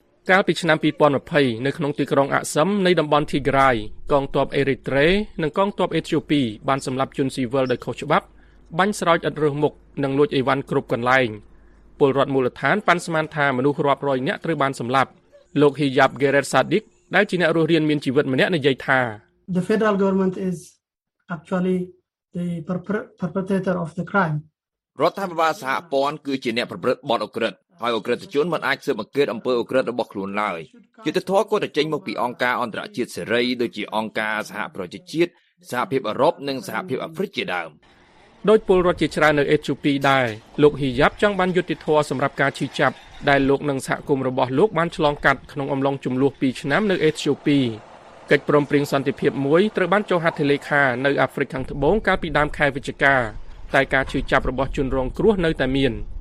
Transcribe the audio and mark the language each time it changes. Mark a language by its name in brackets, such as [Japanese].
[Khmer] កាលពីឆ្នាំ2020នៅក្នុងទីក្រុងអាសឹមនៃតំបន់ធីក្រៃកងទ័ពអេរីត្រេនិងកងទ័ពអេត្យូពីបានសម្លាប់ជនស៊ីវិលដោយខុសច្បាប់បាញ់ស្រោចឥតរើសមុខនិងលួចអីវ៉ាន់គ្រប់កន្លែងពលរដ្ឋមូលដ្ឋានប៉ាន់ស្មានថាមនុស្សរាប់រយនាក់ត្រូវបានសម្លាប់លោក Hijab Gareth Sadiq ដែលជាអ្នករស់រានមានជីវិតម្នាក់និយាយថា [English] The federal government is actually the perpetrator of the crime [Khmer] រដ្ឋាភិបាលសហព័ន្ធគឺជាអ្នកប្រព្រឹត្តបទឧក្រិដ្ឋហើយឧក្រិដ្ឋជនមិនអាចស៊ើបអង្កេតអំពើឧក្រិដ្ឋរបស់ខ្លួនឡើយយុត្តិធម៌គួរតែចេញមកពីអង្គការអន្តរជាតិសេរីដូចជាអង្គការសហប្រជាជាតិសហភាពអឺរ៉ុបនិងសហភាពអាហ្វ្រិកជាដើម ដោយពលរដ្ឋជាច្រើននៅអេត្យូពីដែរលោក Hijab ចង់បានយុត្តិធម៌សម្រាប់ការឈឺចាប់ដែលលោកនឹងសហគមន៍របស់លោកបានឆ្លងកាត់ក្នុងអំឡុងជម្លោះ2ឆ្នាំនៅអេត្យូពីកិច្ចព្រមព្រៀងសន្តិភាពមួយត្រូវបានចុះហត្ថលេខានៅអាហ្វ្រិកខាងត្បូងកាលពីដើមខែវិច្ឆិកាតែការឈឺចាប់របស់ជនរងគ្រោះនៅតែមាន